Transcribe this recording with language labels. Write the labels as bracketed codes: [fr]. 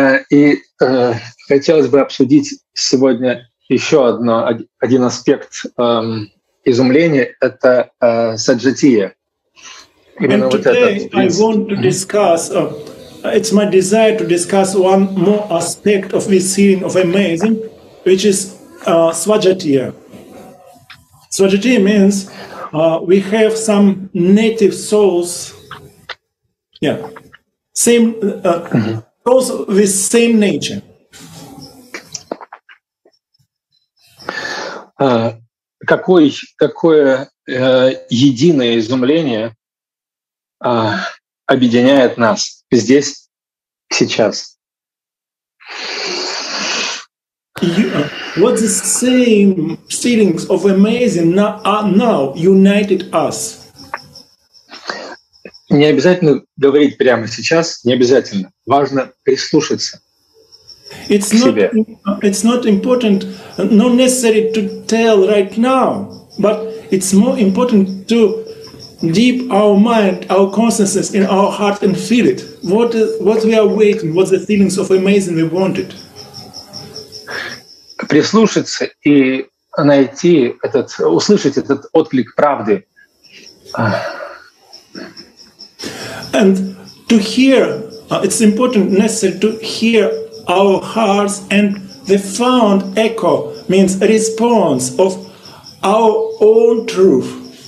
[ru] И хотелось бы обсудить сегодня еще одно, один аспект изумления — это саджатия. Именно вот этот принцип. [en] I want to discuss, it's my desire to discuss one more aspect of this scene of amazing, which is саджатия. Саджатия means we have some native souls, souls with same nature. [ru] Какое единое изумление объединяет нас здесь, сейчас? [en] What the same feelings of amazing now united us? [ru] Не обязательно говорить прямо сейчас, не обязательно. Важно прислушаться. [en] It's not. It's not important. Not necessary to tell right now, but it's more important to deep our mind, our consciousness in our heart and feel it. What we are waiting? What the feelings of amazing we wanted? [ru] Прислушаться и найти этот, услышать этот отклик правды. [en] And to hear, it's important, necessary to hear our hearts and the found echo means a response of our own truth.